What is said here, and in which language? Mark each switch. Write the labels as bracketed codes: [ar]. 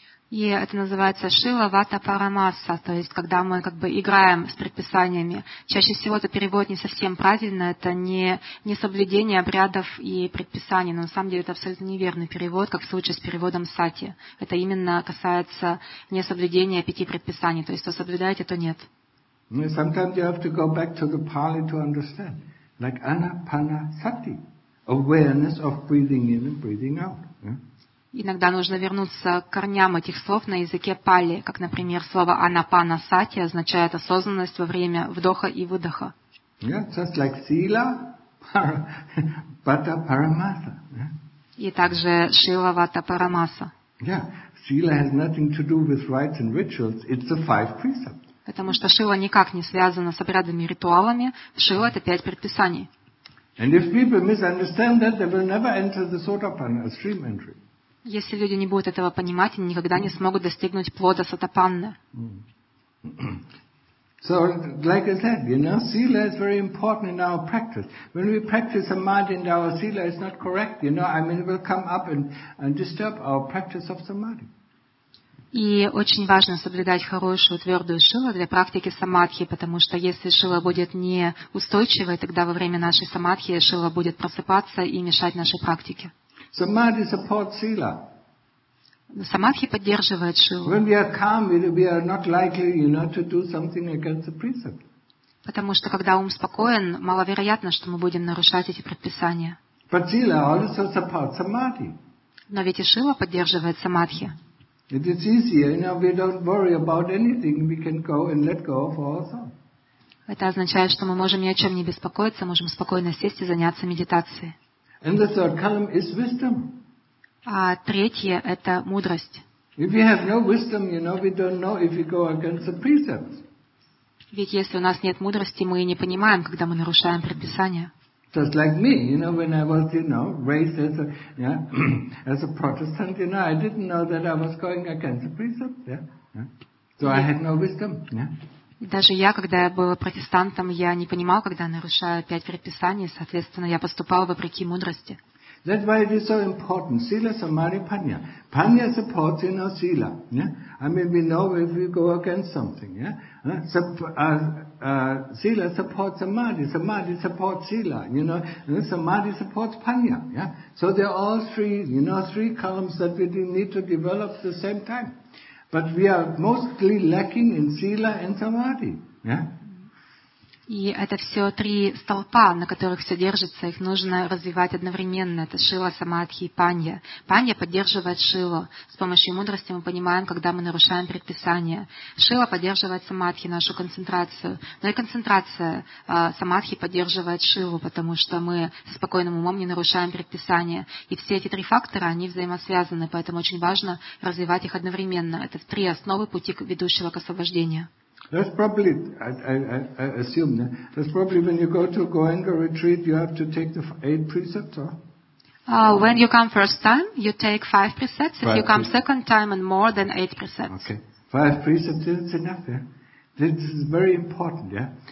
[ru] И это называется шила вата парамаса, то есть когда мы как бы играем с предписаниями. Чаще всего это перевод не совсем правильно, это не соблюдение обрядов и предписаний, но на самом деле это абсолютно неверный перевод, как в случае с переводом сати. Это именно касается не соблюдения пяти предписаний, то есть то соблюдаете, то нет. [en] Sometimes you have to go back to the Pali to understand. Like anapanasati, awareness of breathing in and breathing out. [ru] Иногда нужно вернуться к корням этих слов на языке пали, как, например, слово «анапанасати» означает осознанность во время вдоха и выдоха. [en] Yeah, just like sila, vata paramasa. [ru] И также шила вата парамаса. [en] Yeah, sila has nothing to do with rites and rituals. It's the five precepts. [ru] Потому что шила никак не связана с обрядами и ритуалами. Шила — это пять предписаний. [en] And if people misunderstand that, they will never enter the sotapanna stream entry. [ru] Если люди не будут этого понимать, они никогда не смогут достигнуть плода сотапанны. [en] So, like I said, you know, sila is very important in our practice. When we practice samadhi and our sila is not correct, you know, I mean, it will come up and disturb our practice of samadhi. [ru] И очень важно соблюдать хорошую твердую шилу для практики самадхи, потому что если шила будет неустойчивой, тогда во время нашей самадхи шила будет просыпаться и мешать нашей практике. [en] Samadhi supports sila. [ru] Самадхи поддерживает шилу. [en] When we are calm, we are not likely, you know, to do something against the precept. [ru] Потому что когда ум спокоен, маловероятно, что мы будем нарушать эти предписания. [en] But sila also supports samadhi. [ru] Но ведь и шила поддерживает самадхи. [en] It is easier, you know, we don't worry about anything, we can go and let go of all thought. [ru] Это означает, что мы можем ни о чем не беспокоиться, можем спокойно сесть и заняться медитацией. [en] And the third column is wisdom. [ru] А третье – это мудрость. [en] If we have no wisdom, you know, we don't know if we go against the precepts. [ru] Ведь если у нас нет мудрости, мы не понимаем, когда мы нарушаем предписания. [en] Just like me, you know, when I was, you know, raised as a, yeah, as a Protestant, you know, I didn't know that I was going against the precepts, yeah. So I had no wisdom, yeah. [ru] Даже я, когда я был протестантом, я не понимал, когда нарушаю пять предписаний, соответственно, я поступал вопреки мудрости. [en] That's why it is so important. Sila, samadhi, panya. Panya supports, you know, sila, yeah. I mean, we know if we go against something, yeah. Sila supports samadhi. Samadhi supports sila. You know, and samadhi supports panya. Yeah. So they're all three, you know, three columns that we need to develop at the same time. But we are mostly lacking in sila and samadhi. Yeah. [ru] И это все три столпа, на которых все держится. Их нужно развивать одновременно. Это шила, самадхи и панья. Панья поддерживает шилу. С помощью мудрости мы понимаем, когда мы нарушаем предписание. Шила поддерживает самадхи, нашу концентрацию. Но и концентрация самадхи поддерживает шилу, потому что мы со спокойным умом не нарушаем предписание. И все эти три фактора, они взаимосвязаны. Поэтому очень важно развивать их одновременно. Это три основы пути, ведущего к освобождению. [en] That's probably, I assume, that's probably when you go to a Goenka retreat, you have to take the eight precepts, or? When you come first time, you take five precepts. If you come second time, and more than eight precepts. Okay. Five precepts is enough, yeah? This is very important, yeah?